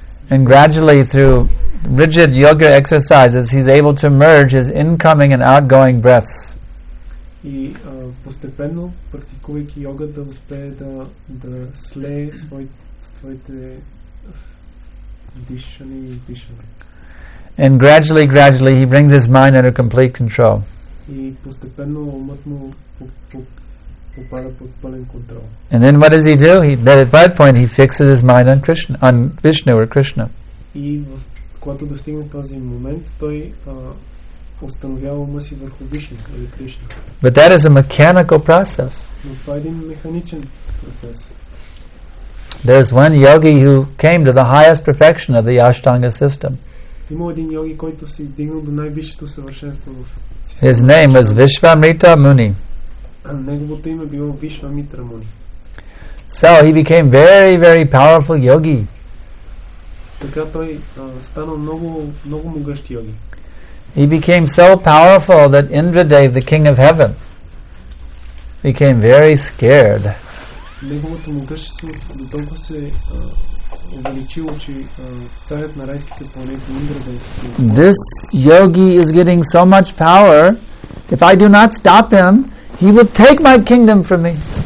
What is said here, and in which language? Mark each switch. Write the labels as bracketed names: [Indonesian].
[English] And gradually, through rigid yoga exercises, he's able to merge his incoming and outgoing breaths. [Bulgarian] И постепенно, практикувайки йога, да успее да слее своите дишане и издишане. [English] And gradually he brings his mind under complete control. [Bulgarian] И постепенно умът му попада под пълен контрол. [English] And then what does he do? At that point he fixes his mind on Vishnu or Krishna. [Bulgarian] И в когато достигне този момент, той установява ума си върху Вишна или Кришна. [English] But that is a mechanical process. [Bulgarian] Но това е един механичен процес. [English] There is one yogi who came to the highest perfection of the Ashtanga system. [Bulgarian] Има един йоги, който се издигнал до най-висшето съвършенство в [English] His name was Vishvamitra Muni. [Bulgarian] Неговото име било Вишвамитра Муни. [English] So he became very, very powerful yogi. [Bulgarian] Така той станал много, много могъщ йоги. [English] He became so powerful that Indradev, the king of heaven, became very scared. [Bulgarian] Неговото могъщество до толкова се увеличило, че царят на райските планети Индрадев. [English] This yogi is getting so much power. If I do not stop him, he will take my kingdom from me.